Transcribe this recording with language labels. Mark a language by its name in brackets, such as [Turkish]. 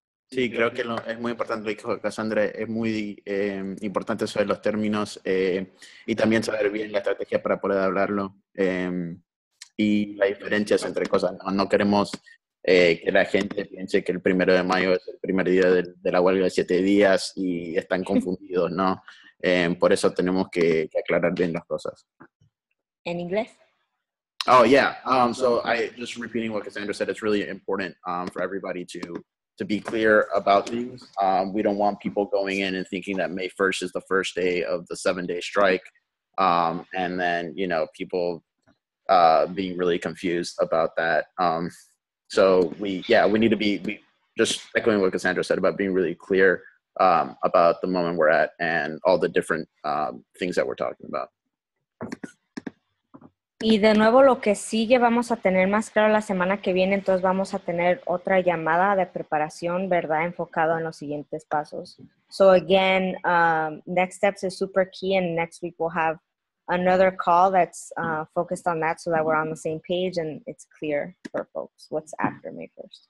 [Spanish] Sí, creo que es muy importante, lo dijo Cassandra, es muy importante saber los términos y también saber bien la estrategia para poder hablarlo y las diferencias entre cosas. No queremos que la gente piense que el primero de mayo es el primer día de la huelga de 7 días y están confundidos, ¿no? Por eso tenemos que aclarar bien las cosas. ¿En inglés? [English] Oh, yeah. So, just repeating what Cassandra said, it's really important for everybody to be clear about things. We don't want people going in and thinking that May 1st is the first day of the 7-day strike. And then, you know, people being really confused about that. So we need to be just echoing what Cassandra said about being really clear about the moment we're at and all the different things that we're talking about. [Spanish] Y de nuevo lo que sigue vamos a tener más claro la semana que viene, entonces vamos a tener otra llamada de preparación, ¿verdad? Enfocado en los siguientes pasos. [English] So again, next steps is super key and next week we'll have another call that's focused on that so that we're on the same page and it's clear for folks what's after May 1st.